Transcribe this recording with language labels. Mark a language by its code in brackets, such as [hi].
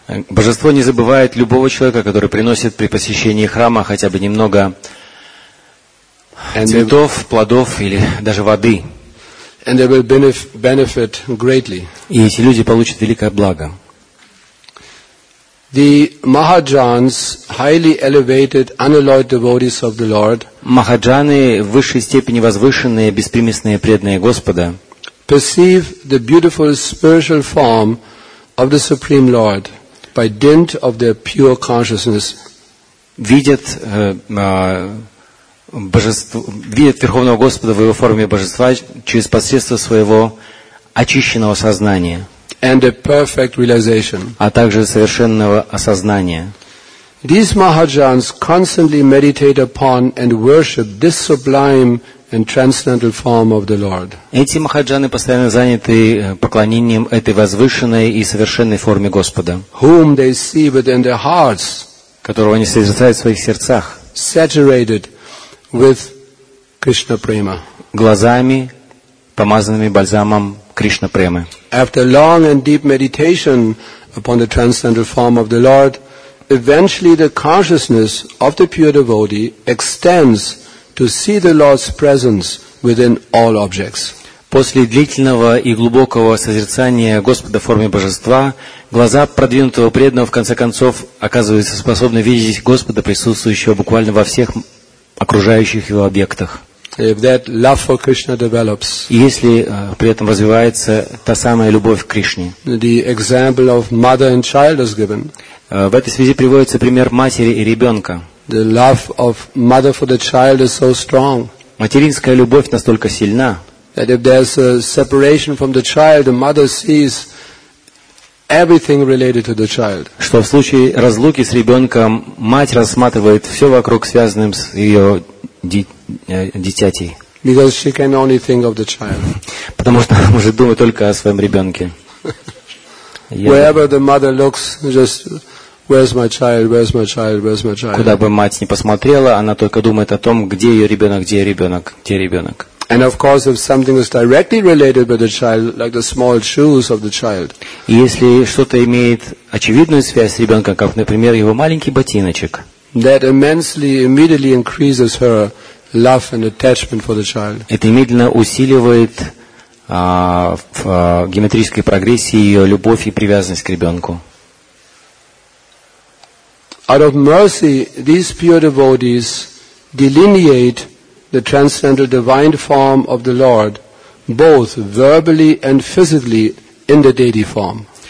[ru] Божество не забывает любого человека, который приносит при посещении храма хотя бы немного цветов, плодов или даже воды. [en] And they will benefit greatly. [ru] И эти люди получат великое благо. [en] The Mahajans, highly elevated, unalloyed devotees of the Lord, [ru] Mahajans, в высшей степени возвышенные, беспримесные преданные Господа, [en] perceive the beautiful spiritual form of the Supreme Lord by dint of their pure consciousness, [ru] видят Верховного Господа в его форме божества через посредство своего очищенного сознания, [en] and a perfect realization, [ru] а также совершенного осознания. [en] These Mahajans constantly meditate upon and worship this sublime and transcendental form of the Lord. [ru] Эти махаджаны постоянно заняты поклонением этой возвышенной и совершенной форме Господа, [en] whom they see within their hearts, [ru] которого они созерцают в своих сердцах, [en] saturated with Krishna prema, [ru] глазами помазанными бальзамом Кришна Премы. [en] After long and deep meditation upon the transcendental form of the Lord, eventually the consciousness of the pure devotee extends to see the Lord's presence within all objects. [ru] После длительного и глубокого созерцания Господа в форме Божества, глаза продвинутого преданного в конце концов оказываются способны видеть Господа, присутствующего буквально во всех окружающих его объектах. [en] If that love for Krishna develops, [ru] если при этом развивается та самая любовь к Кришне, [en] the example of mother and child is given. [ru] В этой связи приводится пример матери и ребенка. [en] The love of mother for the child is so strong. [ru] Материнская любовь настолько сильна. [en] That if there's a separation from the child, the mother sees everything related to the child. [ru] Что в случае разлуки с ребенком мать рассматривает все вокруг, связанным с ее дитятей. [en] Because she can only think of the child. [ru] Потому что она может думать только о своем ребенке. [en] Wherever the mother looks, just where's my child, where's my child, where's my child. [ru] Куда бы мать ни посмотрела, она только думает о том, где ее ребенок, где ребенок, где ребенок. [en] And of course, if something is directly related with the child, like the small shoes of the child. [ru] Если что-то имеет очевидную связь с ребенком, как, например, его маленький ботиночек. [en] That immensely, immediately increases her love and attachment for the child. [ru] Это немедленно усиливает в геометрической прогрессии ее любовь и привязанность к ребенку. [en] Out of mercy, these pure devotees delineate the transcendental divine form of the Lord, both verbally and physically, in the deity form.